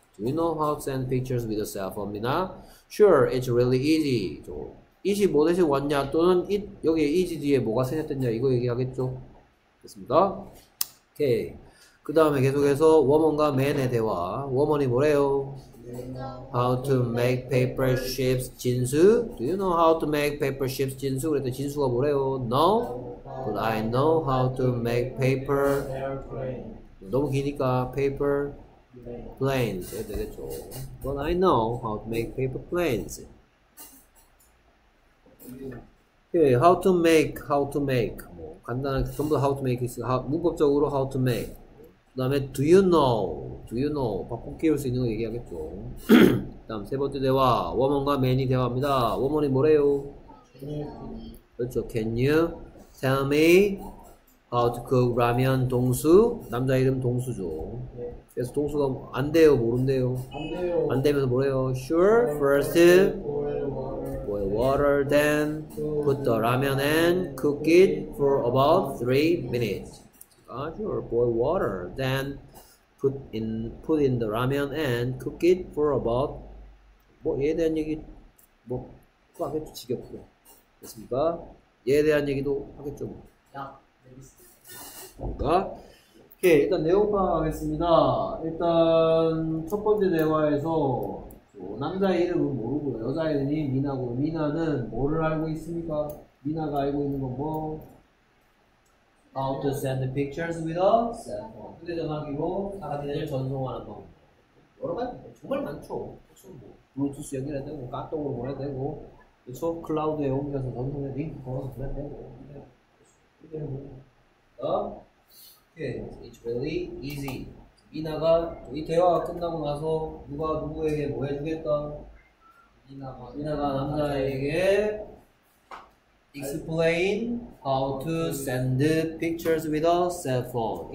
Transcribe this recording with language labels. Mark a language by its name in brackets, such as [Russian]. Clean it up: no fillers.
[English] Do you know how to send pictures with a cell phone, 미나? Sure, it's really easy. [Korean] it이 뭐 대신 왔냐 또는 it 여기에 is 뒤에 뭐가 생겼냐 이거 얘기하겠죠. 됐습니다. 오케이. 그 다음에 계속해서 워먼과 맨의 대화. 워먼이 뭐래요? [English] How to make paper ships, 진수? Do you know how to make paper ships, 진수? [Korean] 그랬더니 진수가 뭐래요? [English] No, but I know how to make paper. [Korean] 너무 기니까 [English] paper planes [Korean] 해도 되겠죠. [English] But I know how to make paper planes. Okay, how to make. [Korean] 뭐 간단하게 전부 [English] how to make [Korean] 있어. 문법적으로 how to make. 그 다음에 [English] do you know [Korean] 바꿔 끼울 수 있는 거 얘기하겠죠. 다음 세 번째 대화, 워먼과 맨이 대화합니다. 워먼이 뭐래요? 그렇죠. [English] Can you tell me how to cook 라면 동수? [Korean] 남자 이름 동수죠. 그래서 동수가 안 돼요, 모른대요. 안 돼요. 안 되면서 뭐래요? Sure, [English] first first boil water. water, then put the ramen and cook it for about 3 minutes. Sure, boil water, then put in the ramen and cook it for about [Korean] 뭐에 대한 얘기 뭐 하겠죠 지겹고 됐습니까? 얘에 대한 얘기도 하겠죠. 야, 그러니까 오케이 일단 내용 파악하겠습니다. 일단 첫 번째 대화에서 남자 이름은 모르고 여자 이름이 미나고 미나는 뭐를 알고 있습니까? 미나가 알고 있는 건 뭐? [English] How to send the pictures with a cell phone. [Korean] 휴대전화기로 사진을 전송하는 거. 여러 가지 정말 많죠. 그렇죠. 뭐 블루투스 연결해 되고 카톡으로 보내 되고 그렇죠. 클라우드에 옮겨서 전송해 링크 걸어서 보내 되고. 오케이. [English] It's really easy. [Korean] 미나가 이 대화가 끝나고 나서 누가 누구에게 뭐 해주겠다. 미나가 남자에게 [English] explain how to send pictures with a cell phone.